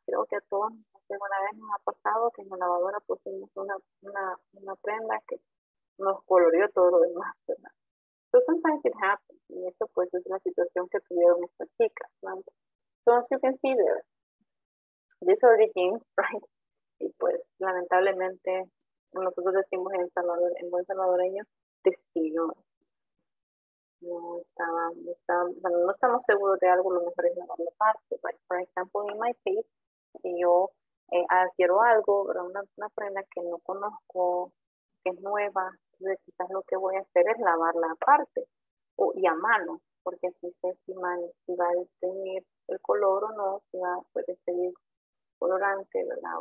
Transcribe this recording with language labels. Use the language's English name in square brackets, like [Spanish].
[Spanish] Creo que a todos alguna vez nos ha pasado que en la lavadora pusimos una prenda que nos coloreó todo lo demás, ¿verdad? [English] So sometimes it happens, [Spanish] y eso pues es la situación que tuvieron estas chicas, ¿verdad? [English] So as you can see there, these are the things, right? [Spanish] Y pues lamentablemente nosotros decimos en Salvador, en buen salvadoreño, destino. No estamos seguros de algo, lo mejor es lavar la parte. [English] Like, for example, in my case, [Spanish] si yo adquiero algo, una prenda que no conozco, que es nueva, entonces quizás lo que voy a hacer es lavarla aparte y a mano, porque así sé si va a tener el color o no, si va a poder tener colorante, ¿verdad?